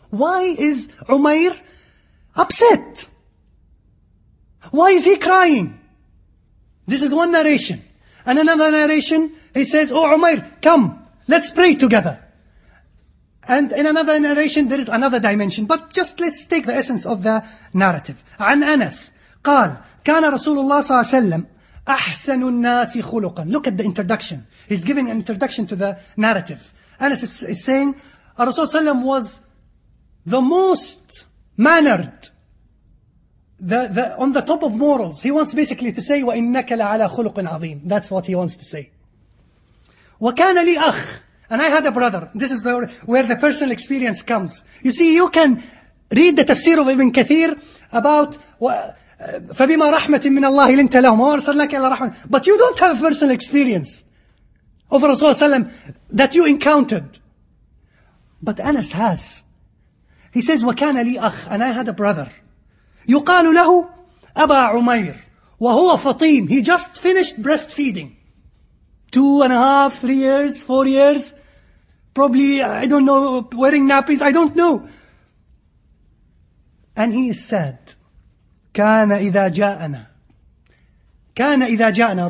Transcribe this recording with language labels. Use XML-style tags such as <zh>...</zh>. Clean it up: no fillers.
<en>Why is Umayr upset? Why is he crying? This is one narration. And another narration, he says, oh Umayr, come, let's pray together. And in another narration, there is another dimension. But just let's take the essence of the narrative.</en> <ar>عن أنس قال كان رسول الله صلى الله عليه وسلم أحسن الناس خلقا.</ar> <en>Look at the introduction. He's giving an introduction to the narrative. Anas is saying, Rasulullah ﷺ was the most mannered, on the top of morals. He wants basically to say,</en> <ar>وَإِنَّكَ لَعَلَى خُلُقٍ عَظِيمٍ.</ar> <en>That's what he wants to say.</en> <ar>وَكَانَ لِي أَخْ.</ar> <en>And I had a brother. This is where the personal experience comes. You see, you can read the tafsir of Ibn Kathir about</en> <ar>فَبِمَا رَحْمَةٍ مِّنَ اللَّهِ لِنْتَ لَهُمْ وَأَرْسَلْنَاكَ إِلَى رَحْمَةٍ.</ar> <en>But you don't have a personal experience of Rasulullah ﷺ that you encountered. But Anas has. He says,</en> <ar>وَكَانَ لِي أَخْ.</ar> <en>And I had a brother.</en> <ar>يُقَالُ لَهُ أَبَا عُمَيْرُ وَهُوَ فَطِيمٌ.</ar> <en>He just finished breastfeeding. 2.5, 3 years, 4 years. Probably, I don't know, wearing nappies, I don't know. And he is sad.</en> <ar>كَانَ إِذَا جَاءَنَا. كَانَ إِذَا جَاءَنَا.</ar>